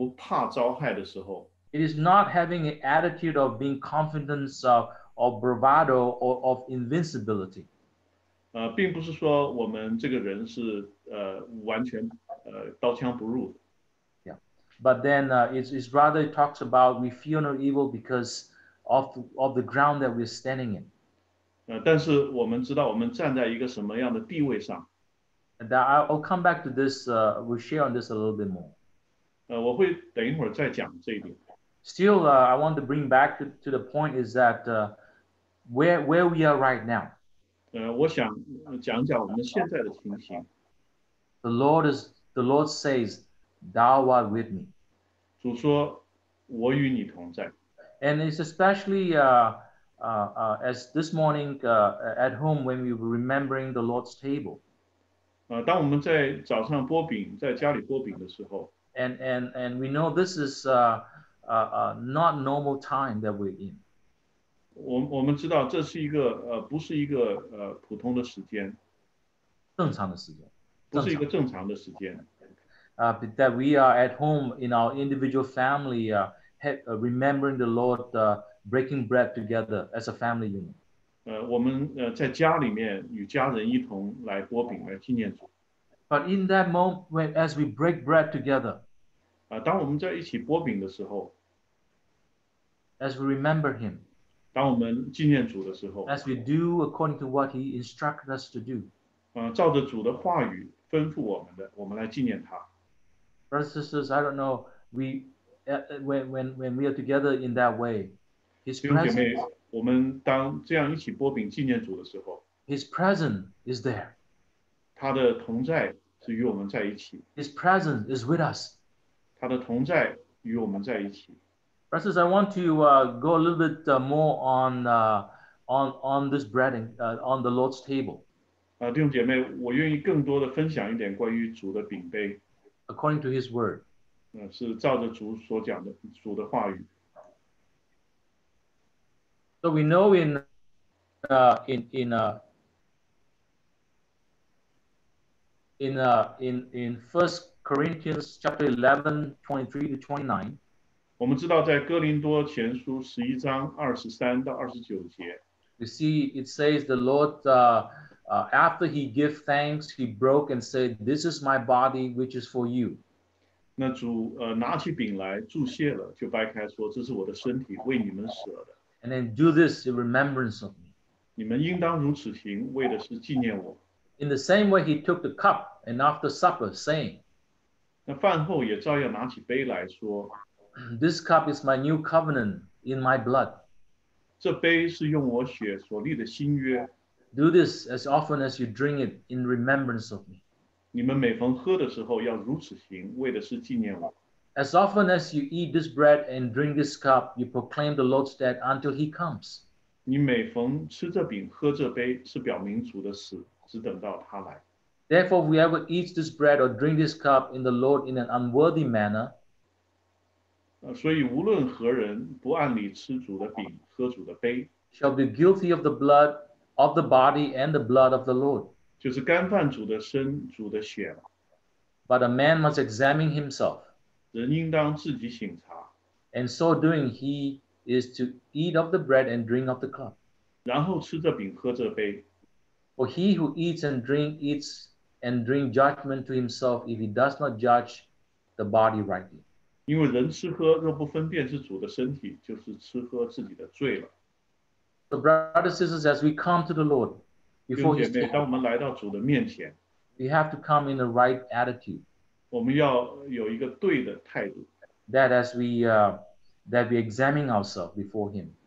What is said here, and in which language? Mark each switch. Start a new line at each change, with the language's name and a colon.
Chinese: 当我讲到我也不怕遭害的时候,
English: it is not having an attitude of being confidence or bravado or of invincibility.
Chinese: 并不是说我们这个人是完全刀枪不入。 Yeah.
English: But then it's rather it talks about we feel no evil because of the ground that we're standing in.
Chinese: 但是我们知道我们站在一个什么样的地位上。
English: That I'll come back to this, we'll share on this a little bit more.
Chinese: 我会等一会儿再讲这一点。
English: Still, I want to bring back to the point is that where we are right now.
Chinese: 我想讲讲我们现在的情形。
English: The Lord says, thou art with me.
Chinese: 主说我与你同在。
English: And it's especially as this morning at home when we were remembering the Lord's table.
Chinese: 当我们在早上擘饼，在家里擘饼的时候。
English: And we know this is not normal time that we're in.
Chinese: 我们知道这是一个不是一个普通的时间。正常的时间。不是一个正常的时间。
English: But that we are at home in our individual family, remembering the Lord, breaking bread together as a family unit.
Chinese: 我们在家里面与家人一同来擘饼来纪念主。
English: But in that moment, when, as we break bread together,
Chinese: 当我们在一起擘饼的时候，
English: as we remember him,
Chinese: 当我们纪念主的时候，
English: as we do according to what he instructed us to do,
Chinese: 照着主的话语吩咐我们的，我们来纪念他。
English: Brothers and sisters, I don't know, we, when we are together in that way, his presence,
Chinese: 我们当这样一起擘饼纪念主的时候，
English: his presence is there.
Chinese: 他的同在是与我们在一起。
English: His presence is with us.
Chinese: 他的同在与我们在一起。
English: Brothers and sisters, I want to go a little bit more on this bread, on the Lord's table.
Chinese: 弟兄姐妹，我愿意更多的分享一点关于主的饼杯。
English: According to his word.
Chinese: 是照着主所讲的，主的话语。
English: So we know in 1 Corinthians chapter 11, 23-29.
Chinese: 我们知道在哥林多前书11章23-29节。
English: You see, it says the Lord, after he gave thanks, he broke and said, this is my body, which is for you.
Chinese: 那主拿起饼来祝谢了，就掰开说，这是我的身体，为你们舍的。
English: And then do this in remembrance of me.
Chinese: 你们应当如此行，为的是纪念我。
English: In the same way, he took the cup and after supper, saying,
Chinese: 那饭后也照样拿起杯来说，
English: this cup is my new covenant in my blood.
Chinese: 这杯是用我血所立的新约。
English: Do this as often as you drink it in remembrance of me.
Chinese: 你们每逢喝的时候要如此行，为的是纪念我。
English: As often as you eat this bread and drink this cup, you proclaim the Lord's death until he comes.
Chinese: 你每逢吃这饼喝这杯是表明主的死，只等到他来。
English: Therefore, whoever eats this bread or drink this cup in the Lord in an unworthy manner,
Chinese: 所以无论何人不按理吃主的饼喝主的杯，
English: shall be guilty of the blood of the body and the blood of the Lord.
Chinese: 就是干犯主的身主的血。
English: But a man must examine himself.
Chinese: 人应当自己省察。
English: And so doing, he is to eat of the bread and drink of the cup.
Chinese: 然后吃着饼喝着杯。
English: For he who eats and drink judgment to himself if he does not judge the body rightly.
Chinese: 因为人吃喝若不分辨是主的身体，就是吃喝自己的罪了。
English: So brothers and sisters, as we come to the Lord, before his table,
Chinese: 当我们来到主的面前，
English: we have to come in the right attitude.
Chinese: 我们要有一个对的态度。
English: That as we, that we examine ourselves before him.